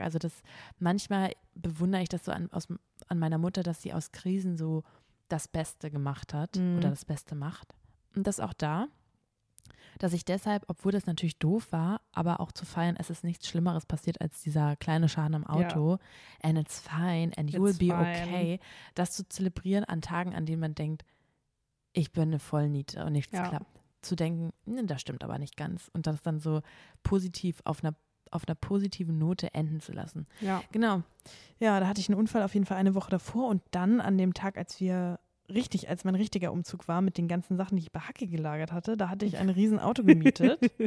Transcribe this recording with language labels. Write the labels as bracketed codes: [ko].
[de] Also das, manchmal bewundere ich das so an meiner Mutter, dass sie aus Krisen so das Beste gemacht hat oder das Beste macht. Und das auch da, dass ich deshalb, obwohl das natürlich doof war, aber auch zu feiern, es ist nichts Schlimmeres passiert als dieser kleine Schaden im Auto. Ja. [en] And it's fine and you'll be okay. [de] Das zu zelebrieren an Tagen, an denen man denkt, ich bin eine Vollniete und nichts klappt. Zu denken, ne, das stimmt aber nicht ganz. Und das dann so positiv auf einer positiven Note enden zu lassen. Ja. Genau. Ja, da hatte ich einen Unfall auf jeden Fall eine Woche davor. Und dann an dem Tag, als mein richtiger Umzug war mit den ganzen Sachen, die ich bei Hacki gelagert hatte, da hatte ich ein riesen Auto gemietet.